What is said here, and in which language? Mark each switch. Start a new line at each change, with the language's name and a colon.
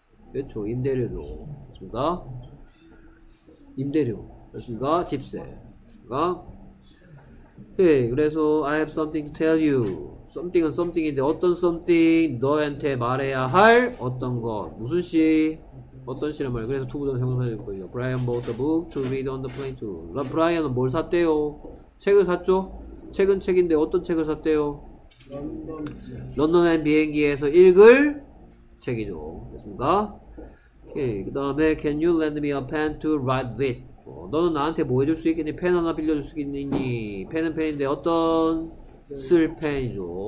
Korean: 그렇죠. 임대료죠. 맞습니다. 임대료. 맞습니다. 집세. 그러니까 네, 그래서
English: I have something to tell you.
Korean: Something은 something인데 어떤 something 너한테 말해야 할 어떤 것. 무슨 시? 어떤 시란 말이에요? 그래서 투부전 형용사일 거예요.
English: Brian bought the book to read on the plane to.
Korean: 브라이언은 뭘 샀대요? 책을 샀죠? 책은 책인데 어떤 책을 샀대요? 런던의 비행기에서 읽을 책이죠. 됐습니까? 오케이. 그 다음에
English: Can you lend me a pen to write with?
Korean: 너는 나한테 뭐 해줄 수 있겠니? 펜 하나 빌려줄 수 있겠니? 펜은 펜인데 어떤 쓸 펜이죠.